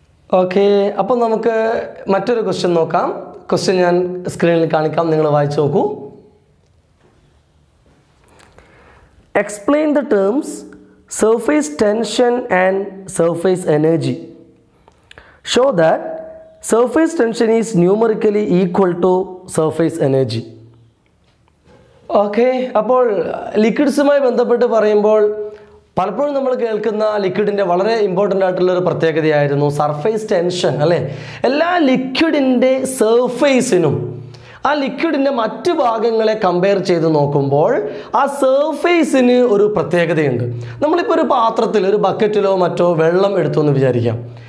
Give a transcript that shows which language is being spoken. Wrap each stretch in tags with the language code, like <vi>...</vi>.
<ml>Okay അപ്പം നമുക്ക് മറ്റൊരു ക്വസ്റ്റ്യൻ നോക്കാം ക്വസ്റ്റ്യൻ ഞാൻ സ്ക്രീനിൽ കാണിക്കാം നിങ്ങൾ വായിച്ചു നോക്കൂ</ml> <en>Explain the terms Surface tension and surface energy. Show that surface tension is numerically equal to surface energy.</en> <ml>Okay, അപ്പോൾ ലിക്വിഡ്സുമായി ബന്ധപ്പെട്ട് പറയുമ്പോൾ പലപ്പോഴും നമ്മൾ കേൾക്കുന്ന ലിക്വിഡിൻ്റെ വളരെ ഇമ്പോർട്ടൻ്റ് ആയിട്ടുള്ള ഒരു പ്രത്യേകതയായിരുന്നു സർഫേസ് ടെൻഷൻ അല്ലേ എല്ലാ ലിക്വിഡിൻ്റെ സർഫേസിനും ആ ലിക്വിഡിൻ്റെ മറ്റ് ഭാഗങ്ങളെ കമ്പയർ ചെയ്ത് നോക്കുമ്പോൾ ആ സർഫേസിന് ഒരു പ്രത്യേകതയുണ്ട് നമ്മളിപ്പോൾ ഒരു പാത്രത്തിൽ ഒരു ബക്കറ്റിലോ മറ്റോ വെള്ളം എടുത്തു എന്ന് വിചാരിക്കാം</ml>